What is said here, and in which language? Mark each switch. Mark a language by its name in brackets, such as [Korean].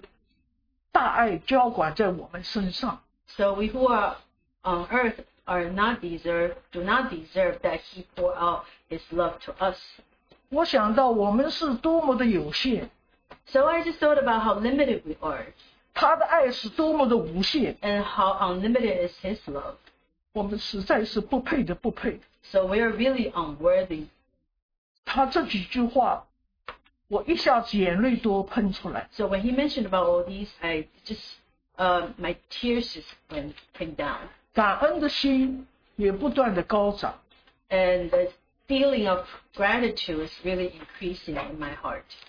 [Chinese] 我们都是在地上完全是不值得他这么大爱浇灌在我们身上。 [English] So we who are on earth are not deserve, do not deserve that he pour out his love to us. [Chinese] 我想到我们是多么的有限。 [English] So I just thought about how limited we are. [Chinese] 他的爱是多么的无限。 [English] And how unlimited is his love. [Chinese] 我们实在是不配的不配。 [English] So we are really unworthy. [Chinese] 他这几句话, 我一下子眼泪都喷出来。 [English] So when he mentioned about all these, I just... my tears just came down. [Chinese] 感恩的心也不断地高涨。 [English] And the feeling of gratitude is really increasing in my heart.